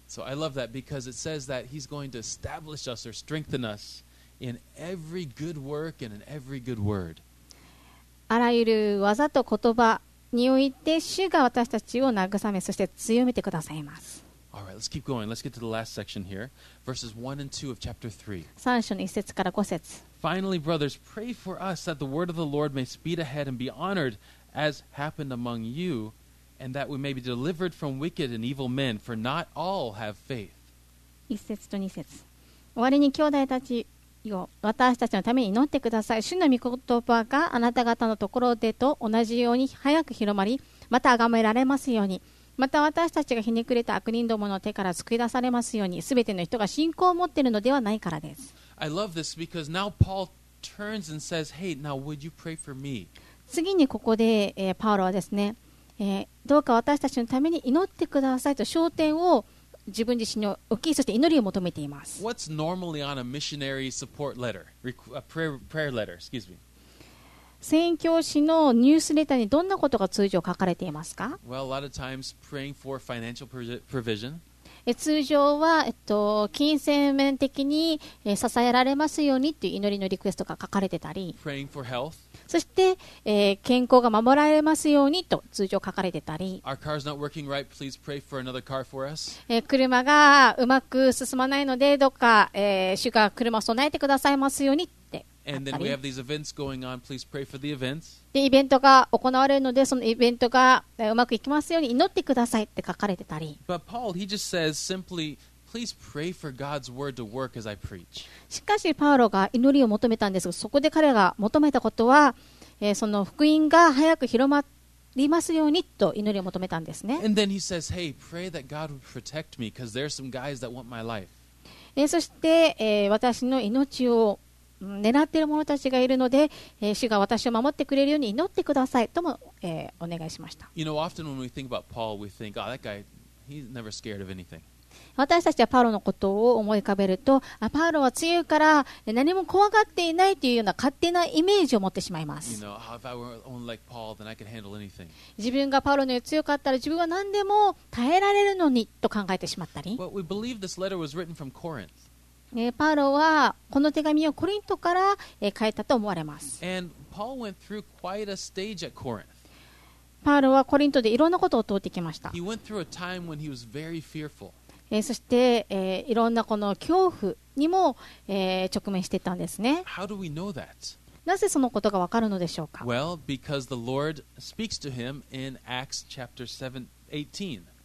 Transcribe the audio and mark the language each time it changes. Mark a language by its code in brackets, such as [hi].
[en] So I love that because it says that he's going to establish us or strengthen us. In every good work and in every good word. [ja] あらゆる技と言葉において主が私たちを慰めそして強めてくださいます。 [en] All right, let's keep going. Let's get to the last section here. Verses 1 and 2 of chapter 3. [ja] 3章の1節から5節。 [en] Finally, brothers, pray for us that the word of the Lord may speed ahead and be honored as happened among you and that we may be delivered from wicked and evil men for not all have faith. [ja] 1節と2節。終わりに兄弟たち私たちのために祈ってください。主の御言葉があなた方のところでと同じように早く広まりまた崇められますように。また私たちがひねくれた悪人どもの手から救い出されますように。すべての人が信仰を持っているのではないからです。 [en] I love this because now Paul turns and says, hey, now would you pray for me? [ja] 次にここで、パウロはですね、どうか私たちのために祈ってくださいと焦点を自分自身の大きいそして祈りを求めています。 [en] What's normally on a missionary support letter? Prayer letter, excuse me. [ja] 宣教師のニュースレターにどんなことが通常書かれていますか？ [en] Well, a lot of times praying for financial provision. [ja] 通常は、金銭面的に支えられますようにという祈りのリクエストが書かれてたり、 [en] Praying for health. [ja] そして、健康が守られますようにと通常書かれてたり、 [en] Our car's not working right. Please pray for another car for us. [ja] 車がうまく進まないのでどうか、主が車を備えてくださいますようにって。 [en] And then we have these events going on. Please pray for the events. [ja] でイベントが行われるのでそのイベントがうまくいきますように祈ってくださいって書かれてたり。 [en] But Paul, he just says simply, please pray for God's word to work as I preach. [ja] しかしパウロが祈りを求めたんですが、そこで彼が求めたことは、その福音が早く広まりますようにと祈りを求めたんですね。 [en] And then he says, hey, pray that God would protect me because there are some guys that want my life. [ja] そして、私の命を狙っている者たちがいるので、主が私を守ってくれるように祈ってくださいとも、お願いしました。 [en] You know, often when we think about Paul, we think, oh, that guy, he's never scared of anything. [ja] 私たちはパウロのことを思い浮かべると、パウロは強いから何も怖がっていないというような勝手なイメージを持ってしまいます。 [en] You know, if I were only like Paul, then I could handle anything. [ja] 自分がパウロのように強かったら自分は何でも耐えられるのにと考えてしまったり。 [en] But we believe this letter was written from Corinth. [ja] パウロはこの手紙をコリントから書いたと思われます。 [en] And Paul went through quite a stage at Corinth. [ja] パウロはコリントでいろんなことを通ってきました。 [en] He went through a time when he was very fearful. [ja] そして、いろんなこの恐怖にも、直面していたんですね。 [en] How do we know that? [ja] なぜそのことがわかるのでしょうか。 [en] Well, because the Lord speaks to him in Acts chapter 18.